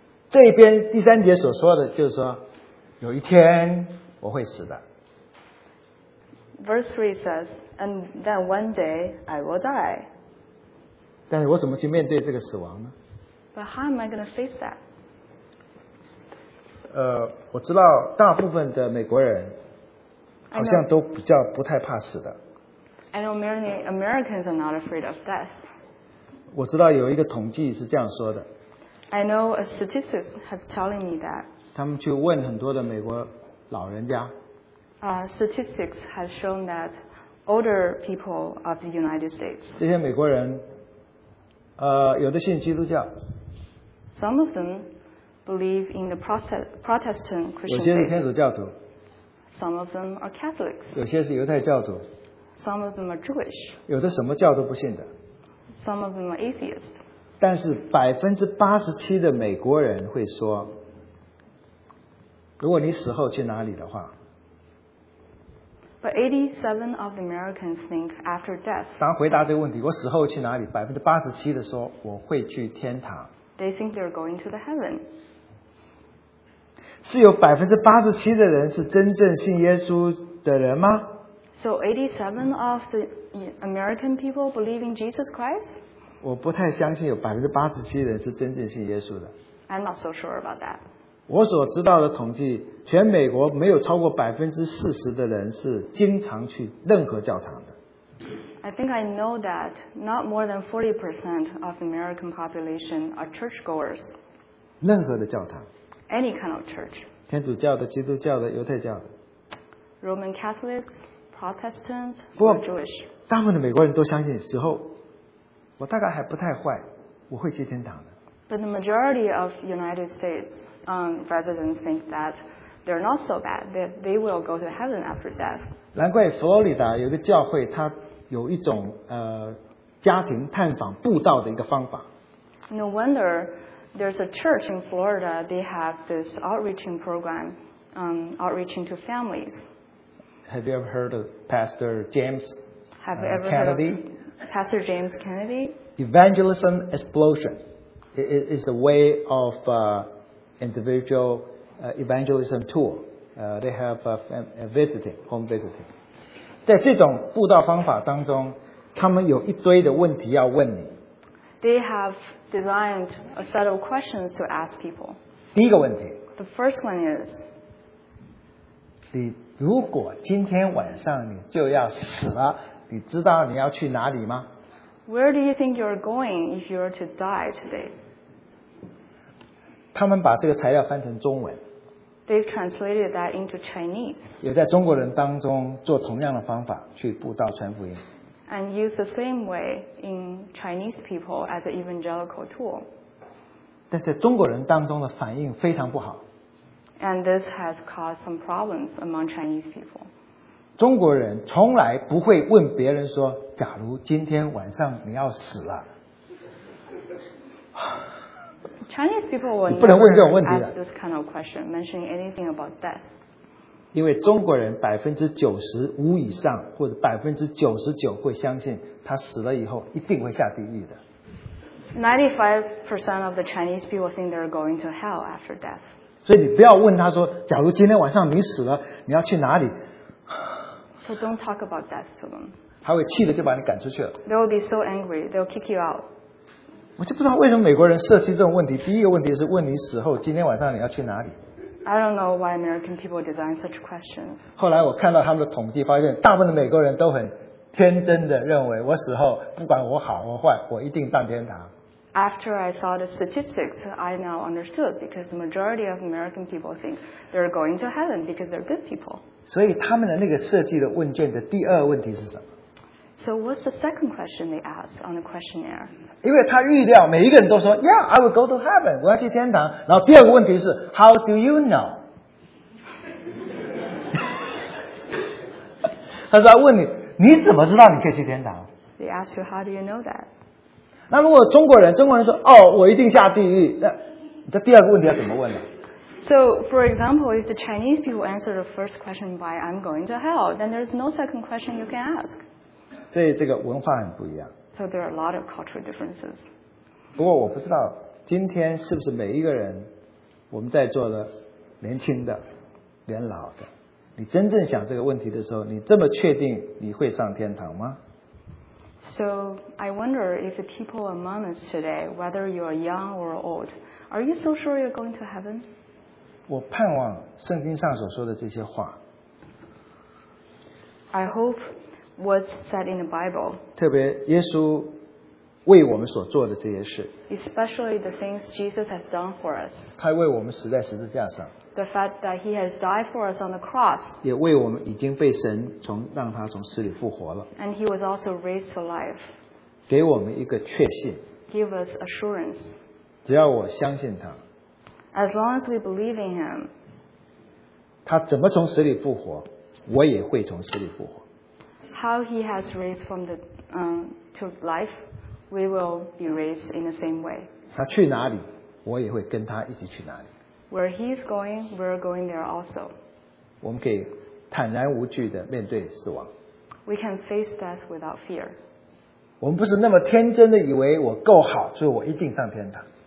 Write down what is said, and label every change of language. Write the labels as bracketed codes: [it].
[zh] 这边第三节所说的就是说，有一天我会死的。 [en] Verse 3 says, and then one day I will die. [zh] 但是我怎么去面对这个死亡呢？ [en] But how am I going to face that? [zh] 我知道大部分的美国人好像都比较不太怕死的。 [en] I know many Americans are not afraid of death. [zh] 我知道有一个统计是这样说的。 [en] I know a statistic have telling me that. [zh] 他们去问很多的美国老人家。 [en] Statistics have shown that older people of the United States. [zh] 这些美国人，有的信基督教。 [en] Some of them believe in the Protestant Christian. [zh] 有些是天主教徒。 [en] Some of them are Catholics. [zh] 有些是犹太教徒。 [en] Some of them are Jewish. [zh] 有的什么教都不信的。 [en] Some of them are atheists. [zh] 但是87%的美国人会说，如果你死后去哪里的话。 [en] But 87% of Americans think after death. [zh] 当回答这个问题，我死后去哪里？ 87%的说我会去天堂。 [en] They think they're going to the heaven. [zh] 是有87%的人是真正信耶稣的人吗？ [en] So 87% of the American people believe in Jesus Christ? [zh] 我不太相信有87%的人是真正信耶稣的。 [en] I'm not so sure about that. [zh] 我所知道的统计，全美国没有超过40%的人是经常去任何教堂的。 [en] I think I know that not more than 40% of the American population are churchgoers. [zh] 任何的教堂。 [en] Any kind of church. [zh] 天主教的、基督教的、犹太教的。 [en] Roman Catholics. Protestants or Jewish. [zh] 大部分的美国人都相信死后，我大概还不太坏，我会去天堂的。 [en] But the majority of United States residents think that they're not so bad, that they will go to heaven after death. [zh] 难怪佛罗里达有个教会，它有一种家庭探访布道的一个方法。 [en] No wonder there's a church in Florida. They have this outreaching program, outreaching to families. Have you ever heard of Pastor James Have you ever Kennedy? Heard of Pastor James Kennedy? Evangelism explosion is the way of individual evangelism tool. They have home visiting. [zh] 在这种布道方法当中，他们有一堆的问题要问你。 [en] They have designed a set of questions to ask people. [zh] 第一个问题。 [en] The first one is. [zh] 你如果今天晚上你就要死了，你知道你要去哪里吗？ [en] Where do you think you're going if you're to die today? [zh] 他们把这个材料翻成中文。 [en] They've translated that into Chinese. [zh] 有在中国人当中做同样的方法去布道传福音。 [en] And use the same way in Chinese people as an evangelical tool. [zh] 但在中国人当中的反应非常不好。 [en] And this has caused some problems among Chinese people. [zh] 中国人从来不会问别人说，假如今天晚上你要死了。 [en] Chinese people will never [zh] 不能问这种问题的。 [en] Ask this kind of question, mentioning anything about death. [zh] 因为中国人95%以上或者99%会相信他死了以后一定会下地狱的。 [en] 95% of the Chinese people think they're going to hell after death. [zh] 所以你不要问他说，假如今天晚上你死了，你要去哪里？ [en] So don't talk about death to them. [zh] 他会气得就把你赶出去了。 [en] They'll be so angry, they'll kick you out. [zh] 我就不知道为什么美国人设计这种问题。第一个问题是问你死后今天晚上你要去哪里。 [en] I don't know why American people design such questions. [zh] 后来我看到他们的统计，发现大部分的美国人都很天真的认为，我死后不管我好或坏，我一定上天堂。 [en] After I saw the statistics, I now understood because the majority of American people think they're going to heaven because they're good people. [zh] 所以他们的那个设计的问卷的第二问题是什么？ [en] So what's the second question they ask on the questionnaire? [zh] 因为他预料每一个人都说 [en] Yeah, I will go to heaven. [zh] 我要去天堂。然后第二个问题是 [en] How do you know? [zh] 他说问你，你怎么知道你可以去天堂？ [en] They ask you, How do you know that? [zh] 那如果中国人说哦，我一定下地狱，那这第二个问题要怎么问呢 [en] ？So, for example, if the Chinese people answer the first question by "I'm going to hell," then there's no second question you can ask. [zh] 所以这个文化很不一样。 [en] So there are a lot of cultural differences. [zh] 不过我不知道今天是不是每一个人，我们在座的年轻的，连老的，你真正想这个问题的时候，你这么确定你会上天堂吗？ [en] So I wonder if the people among us today, whether you are young or old, are you so sure you're going to heaven? [zh] 我盼望圣经上所说的这些话。 [en] I hope what's said in the Bible. [zh] 特别耶稣为我们所做的这些事。 [en] Especially the things Jesus has done for us. [zh] 他为我们死在十字架上。 [en] The fact that he has died for us on the cross. [zh] 也为我们已经被神从让他从死里复活了。 [en] And he was also raised to life. [zh] 给我们一个确信。 [en] Give us assurance. [zh] 只要我相信他。 [en] As long as we believe in him. [zh] 他怎么从死里复活，我也会从死里复活。 [en] How he has raised from the to life, we will be raised in the same way. [zh] 他去哪里，我也会跟他一起去哪里。 [en] Where he is going, we are going there also. [zh] 我们可以坦然无惧地面对死亡。 [en] We can face death without fear. [zh] 我们不是那么天真的以为我够好，所以我一定上天堂。